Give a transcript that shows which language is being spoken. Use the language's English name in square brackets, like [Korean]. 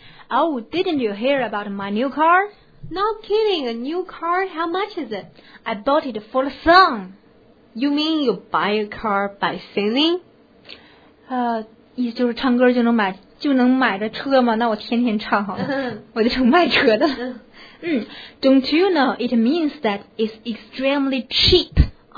[English] Oh， didn't you hear about my new car？ No kidding， a new car， how much is it？ I bought it for a song。 You mean you buy a car by singing？ [Chinese] 意思就是唱歌就能买着车吗？那我天天唱好了，我就成卖车的。 [English] Don't you know it means that it's extremely cheap？